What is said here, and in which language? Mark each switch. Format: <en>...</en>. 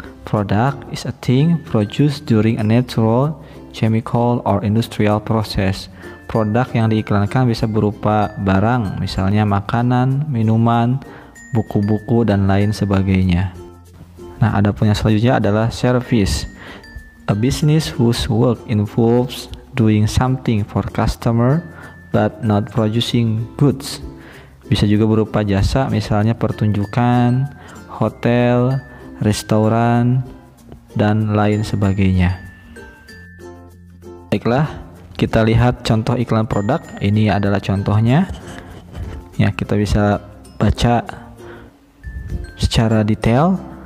<en>Product is a thing produced during a natural, chemical, or industrial process.</en> <id>Produk yang diiklankan bisa berupa barang, misalnya makanan, minuman, buku-buku, dan lain sebagainya. Nah, adapun yang selanjutnya adalah service.</id> <en>A business whose work involves doing something for customer but not producing goods.</en> <id>Bisa juga berupa jasa, misalnya pertunjukan, hotel, restoran, dan lain sebagainya. Baiklah, kita lihat contoh iklan produk. Ini adalah contohnya. Ya, kita bisa baca secara detail.</id>